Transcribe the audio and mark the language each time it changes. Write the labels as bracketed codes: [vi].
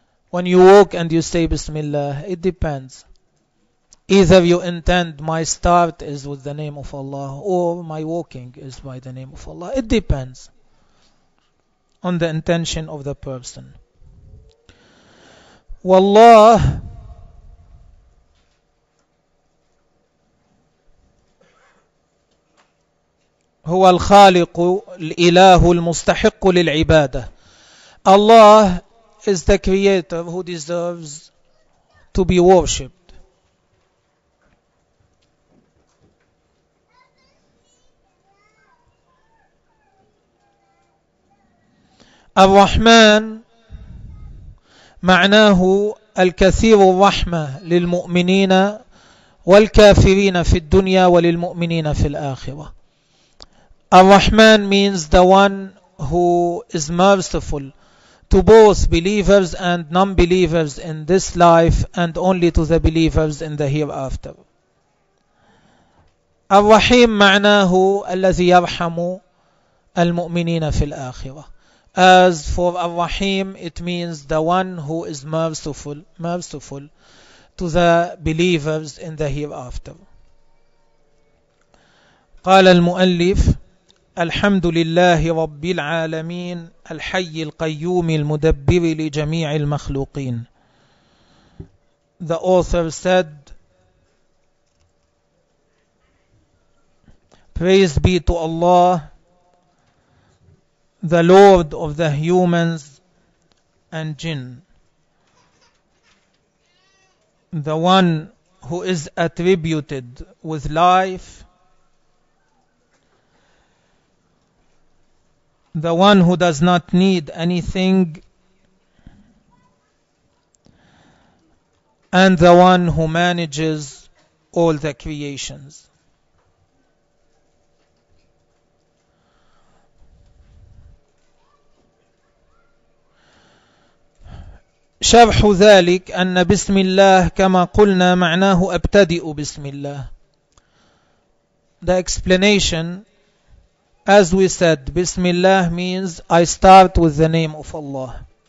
[en] When you walk and you say Bismillah, it depends. Either you intend my start is with the name of Allah or my walking is by the name of Allah. It depends on the intention of the person. [ar] Wallah, هو الخالق الإله المستحق للعبادة. [en] Allah is the creator who deserves to be worshipped. [ar] الرحمن معناه الكثير الرحمة للمؤمنين والكافرين في الدنيا وللمؤمنين في الآخرة. [en] الرحمن means the one who is merciful to both believers and non-believers in this life and only to the believers in the hereafter. [ar] الرحيم معناه الذي يرحم المؤمنين في الآخرة. [en] As for الرحيم, it means the one who is merciful to the believers in the hereafter. [ar] قال المؤلف الحمد لله رب العالمين الحي القيوم المدبر لجميع المخلوقين. [en] The author said, praise be to Allah, the Lord of the humans and jinn, the one who is attributed with life, the one who does not need anything, and the one who manages all the creations. [ar] شرح ذلك أن بسم الله كما قلنا معناه أبتدئ بسم الله. [en] The explanation, as we said, Bismillah means I start with the name of Allah.